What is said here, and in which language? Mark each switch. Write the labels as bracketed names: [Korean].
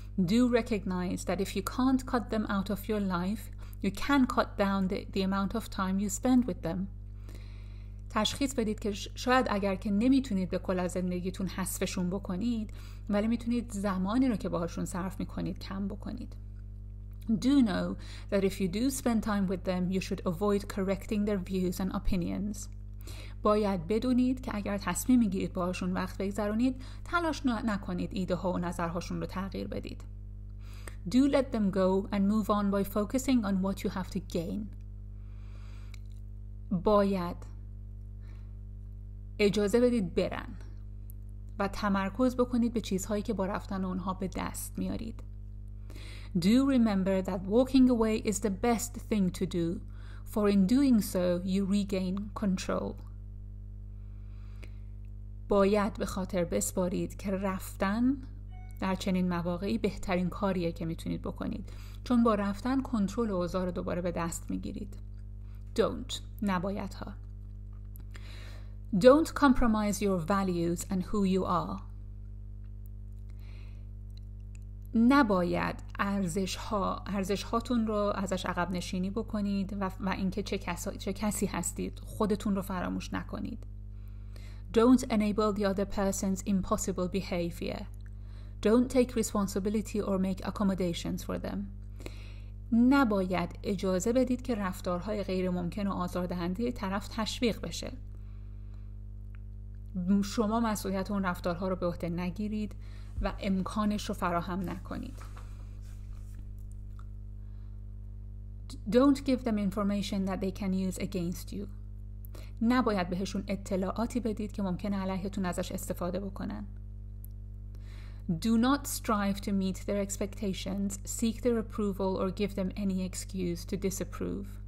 [English] Do recognize that if you can't cut them out of your life, you can cut down the amount of time you spend with them. [Persian] تشخیص بدید که شاید اگر که نمیتونید به کل از زندگیتون حذفشون بکنید، ولی میتونید زمانی رو که باهاشون صرف میکنید کم بکنید. [English] Do know that if you do spend time with them, you should avoid correcting their views and opinions. [Persian] باید بدونید که اگر تصمیم میگیرید باهاشون وقت بگذرونید، تلاش نکنید ایده ها و نظرهاشون رو تغییر بدید. [English] Do let them go and move on by focusing on what you have to gain. [Persian] باید اجازه بدید برن و تمرکز بکنید به چیزهایی که با رفتن اونها به دست میارید. [English] Do remember that walking away is the best thing to do, for in doing so, you regain control. [Persian] باید به خاطر بسپارید که رفتن در چنین مواقعی بهترین کاریه که میتونید بکنید. چون با رفتن کنترل اوضاع رو دوباره به دست میگیرید. [English] Don't. [Persian] نبایدها. [English] Don't compromise your values and who you are. [Persian] نباید ارزش‌هاتون رو ازش عقب نشینی بکنید و اینکه چه کسی هستید خودتون رو فراموش نکنید. [English] Don't enable the other person's impossible behavior. Don't take responsibility or make accommodations for them. [Persian] نباید اجازه بدید که رفتارهای غیر ممکن و آزاردهنده طرف تشویق بشه. شما مسئولیت اون رفتارها رو به عهده نگیرید و امکانش رو فراهم نکنید. [English] Don't give them information that they can use against you. [Persian] نباید بهشون اطلاعاتی بدید که ممکنه علیهتون ازش استفاده بکنن. [English] Do not strive to meet their expectations, seek their approval or give them any excuse to disapprove.